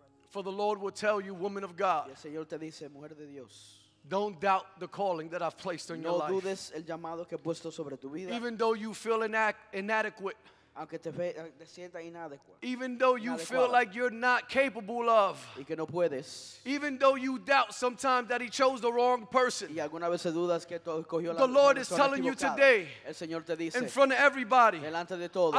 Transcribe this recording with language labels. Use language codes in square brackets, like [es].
[en] For the Lord will tell you, woman of God, [es] el Señor te dice, mujer de Dios, [en] don't doubt the calling that I've placed on [es] no [en] your life. [es] Dudes el llamado que he puesto sobre tu vida. [en] Even though you feel inadequate, [es] aunque te sientas inadequate, [en] even though you feel like you're not capable of, [es] y que no puedes, [en] even though you doubt sometimes that he chose the wrong person, [es] y alguna vez dudas que escogió la equivocada, [en] the Lord is telling you today, [es] el Señor te dice, [en] in front of everybody, [es] delante de todos,